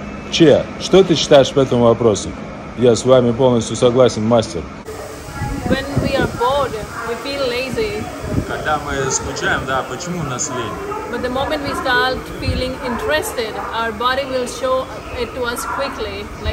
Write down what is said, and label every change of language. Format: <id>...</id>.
<ru>Че, что ты считаешь по этому вопросу? Я с вами полностью согласен, мастер.</ru> <en>When we are bored, we feel lazy.</en> <ru>Когда мы скучаем, да, почему у нас лень?</ru> <en>But the moment we start feeling interested, our body will show it to us quickly.</en>